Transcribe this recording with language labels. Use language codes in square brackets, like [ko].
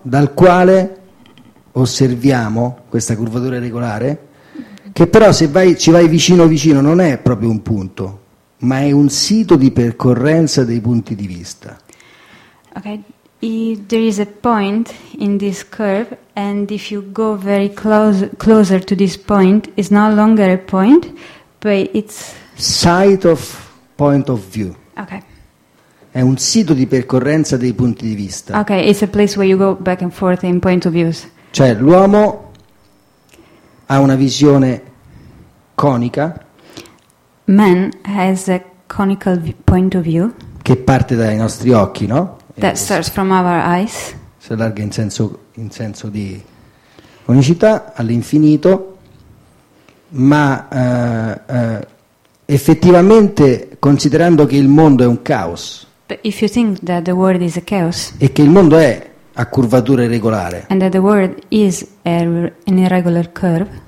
[it] Dal quale osserviamo questa curvatura irregolare, che però se vai, ci vai vicino vicino non è proprio un punto, ma è un sito di percorrenza dei punti di vista. Ok. [en] There is a point in this curve, and if you go very closer to this point, it's no longer a point, but it's site of point of view. Okay. [it] È un sito di percorrenza dei punti di vista. [en] Okay, it's a place where you go back and forth in point of views. [it] Cioè, l'uomo ha una visione conica. [en] Man has a conical point of view. [it] Che parte dai nostri occhi, no? [en] That starts from our eyes. [it] Si allarga in senso di conicità all'infinito, ma effettivamente considerando che il mondo è un caos, [en] but if you think that the world is a chaos, [it] e che il mondo è a curvatura irregolare, [en] and that the world is an irregular curve,